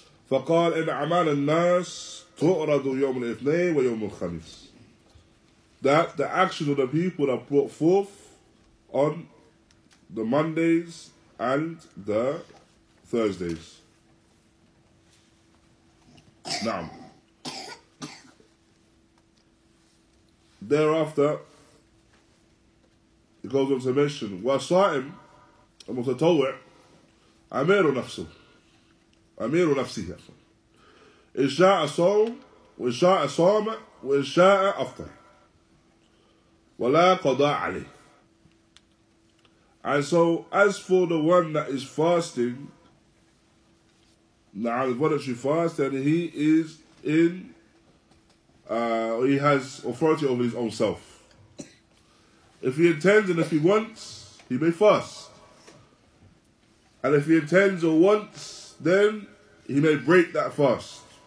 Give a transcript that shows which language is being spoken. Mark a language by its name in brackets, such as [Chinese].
[Arabic] فقال إن أعمال الناس تعرض يوم الاثنين ويوم الخميس. [English] That the actions of the people are brought forth on the Mondays and the Thursdays. Now, thereafter, it goes on to mention [Arabic] وصائم المتطوع أمير نفسه. أمير نفسه إن شاء صوم وإن شاء صام وإن شاء أفطر ولا قضاء عليه. [English] And so as for the one that is fasting, now the voluntary fast, and he is in he has authority over his own self. If he intends and if he wants, he may fast. And if he intends or wants, then he may break that fast.